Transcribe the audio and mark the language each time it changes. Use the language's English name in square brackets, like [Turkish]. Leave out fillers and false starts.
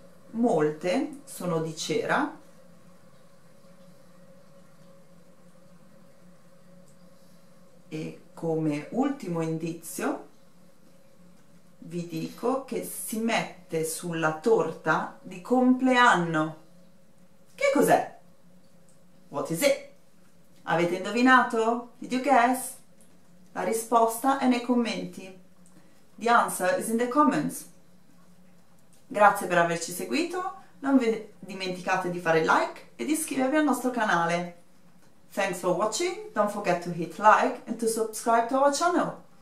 [Italian] Molte sono di cera. Molte e come ultimo indizio vi dico che si mette sulla torta di compleanno. Che cos'è? [English] What is it? [Italian] Avete indovinato? [English] Did you guess? [Italian] La risposta è nei commenti. [English] The answer is in the comments. [Italian] Grazie per averci seguito. Non vi dimenticate di fare like e di iscrivervi al nostro canale. [English] Thanks for watching. Don't forget to hit like and to subscribe to our channel.